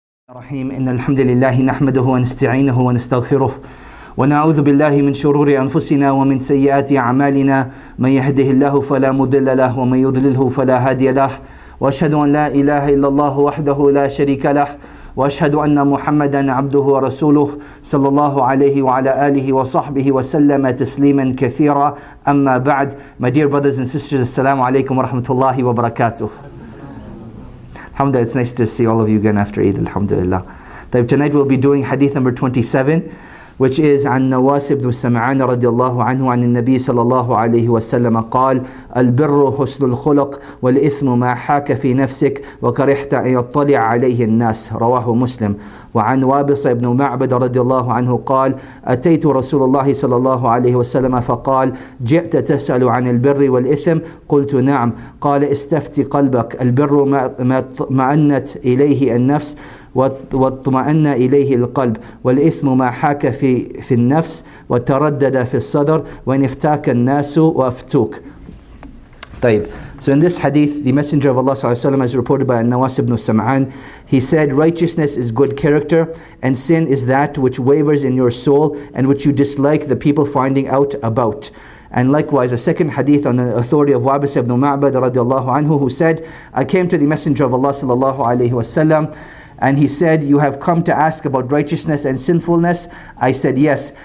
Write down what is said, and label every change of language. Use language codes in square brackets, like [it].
[ar] الرحيم إن الحمد لله نحمده ونستعينه ونستغفره ونعوذ بالله من شرور أنفسنا ومن سيئات أعمالنا من يهده الله فلا مضل له ومن يضلله فلا هادي له وأشهد أن لا إله إلا الله وحده لا شريك له وأشهد أن محمدا عبده ورسوله صلى الله عليه وعلى آله وصحبه وسلم تسليما كثيرا أما بعد [en] My dear brothers and sisters, [ar] السلام عليكم ورحمة الله وبركاته. [en] Alhamdulillah, it's nice to see all of you again after Eid, alhamdulillah. Tonight we'll be doing hadith number 27, which is [ar] عن نواس بن سمعان رضي الله عنه عن النبي صلى الله عليه وسلم قال البر حسن الخلق والإثم ما حاك في نفسك وكرحت أن يطلع عليه الناس رواه مسلم وعن وابص بن معبد رضي الله عنه قال أتيت رسول الله صلى الله عليه وسلم فقال جئت تسأل عن البر والإثم قلت نعم قال استفت قلبك البر ما أنت إليه النفس واطمأن إليه القلب والإثم ما حاك في النفس وتردد في الصدر وإن افتاك الناس وافتوك. طيب. [en] So in this hadith, the Messenger of Allah sallallahu alaihi wasallam, as reported by Nawas ibn Sam'an, he said, righteousness is good character and sin is that which wavers in your soul and which you dislike the people finding out about. And likewise, a second hadith on the authority of Wabis ibn Ma'bad radiallahu anhu, who said, I came to the Messenger of Allah sallallahu alaihi wasallam, and he said, you have come to ask about righteousness and sinfulness. I said, yes.